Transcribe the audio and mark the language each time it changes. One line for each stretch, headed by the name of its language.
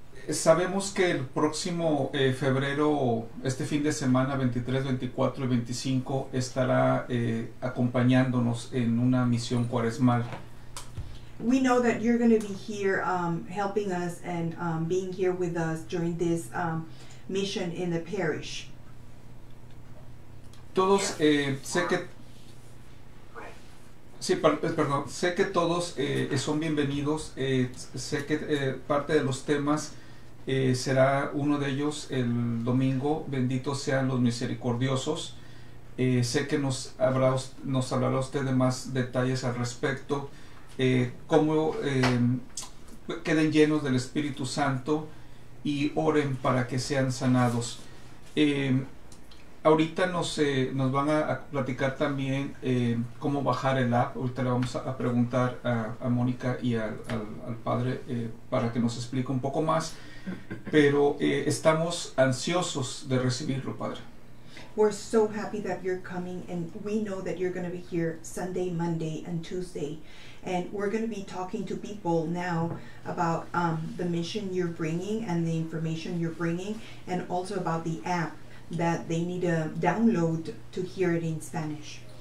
Spanish: Sabemos que el próximo febrero, este fin de semana, 23, 24 y 25, estará acompañándonos en una misión cuaresmal.
English: We know that you're going to be here helping us and being here with us during this mission in the parish.
Spanish: Todos, sé que... Sí, perdón. Sé que todos son bienvenidos. Sé que parte de los temas... será uno de ellos el domingo, benditos sean los misericordiosos. Sé que nos hablará usted de más detalles al respecto, cómo queden llenos del Espíritu Santo y oren para que sean sanados. Ahorita nos van a platicar también cómo bajar el app. Ahorita le vamos a preguntar a Mónica y al padre para que nos explique un poco más. Pero estamos ansiosos de recibirlo, Padre.
English: We're so happy that you're coming, and we know that you're going to be here Sunday, Monday, and Tuesday. And we're going to be talking to people now about the mission you're bringing and the information you're bringing, and also about the app that they need to download to hear it in Spanish.